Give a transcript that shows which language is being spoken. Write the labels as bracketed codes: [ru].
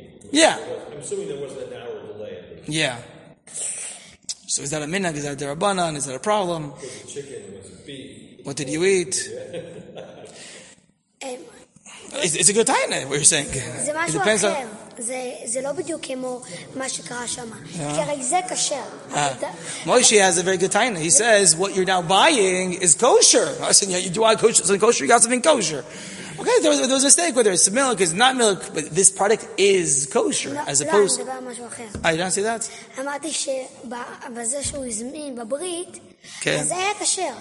[en] Yeah. I'm assuming there wasn't an hour delay. Yeah. So is that a minhag? Is that a derabanan? Is that a problem? Was it chicken? Was it beef? What did you eat? It's a good time, what you're saying. It depends on... [he] זה לא בדיוק כמו מה שקרה שם. כי הרי זה כשר. [en] Moshe has a very good taina. He says, what you're now buying is kosher. I said, yeah, you do want something kosher, you got something kosher. Okay, there was a mistake, whether it's milk, it's not milk, but this product is kosher, as opposed... [he] לא, אני מדבר על משהו אחר. [en] I didn't say that. [he] אמרתי שבזה שהוא הזמין בברית, זה היה כשר.